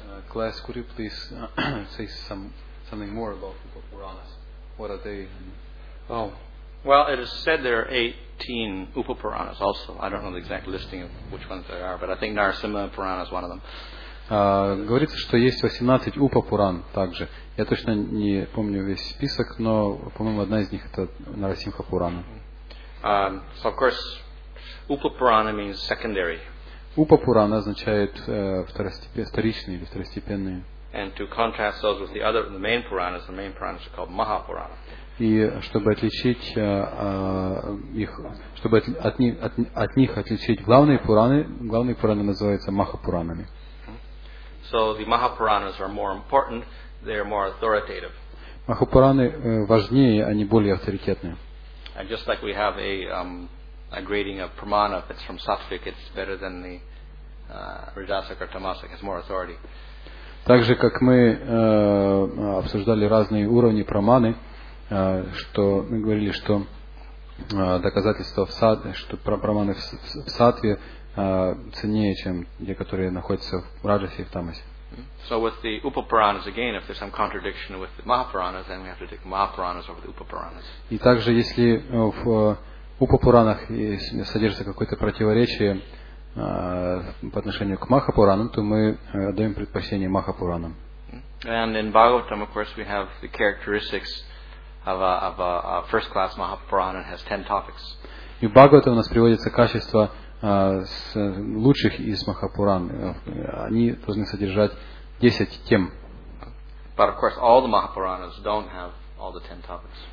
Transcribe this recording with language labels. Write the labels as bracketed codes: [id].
[en] Class, could you please say something more about the Upapuranas? What are they? Oh, well, it is said there are 18 Upapuranas also. I don't know the exact listing of which ones there are, but I think Narasimha Purana is one of them. [ru] Говорится, что есть 18 Упапуран также. Я точно не помню весь список, но, по-моему, одна из них это Нарасимха Пурана. [en] So, of course, Upapurana means secondary. [ru] Упапурана означает вторичные или второстепенные. [en] And to contrast those with the main Puranas, the main Puranas are called Mahapurana. [ru] И чтобы отличить их, чтобы от них отличить главные Пураны называются Махапуранами. [en] So the Mahapuranas are more important, they are more authoritative. [ru] Махапураны важнее, они более авторитетные. [en] And just like we have a grading of Pramana, if it's from Sattvic, it's better than the Rajasic or Tamasic, it's more authority. [ru] Также, как мы обсуждали разные уровни Праманы, что мы говорили, что доказательства в Сатве, что Праманы в Сатве ценнее, чем те, которые находятся в Раджасе и в Тамасе. [en] So with the Upapuranas again, if there's some contradiction with the Mahapuranas, then we have to take Mahapuranas over the Upapuranas. [ru] И также, если в Упапуранах содержится какое-то противоречие по отношению к Махапуранам, то мы даем предпочтение Махапуранам. [en] And in Bhagavatam, of course, we have the characteristics of a first-class Mahapurana has 10 topics. [ru] И в Бхагавате у нас приводится качество с лучших из Махапуран. Они должны содержать 10 тем. [en] But of course, all the Mahapuranas don't have all the 10 topics.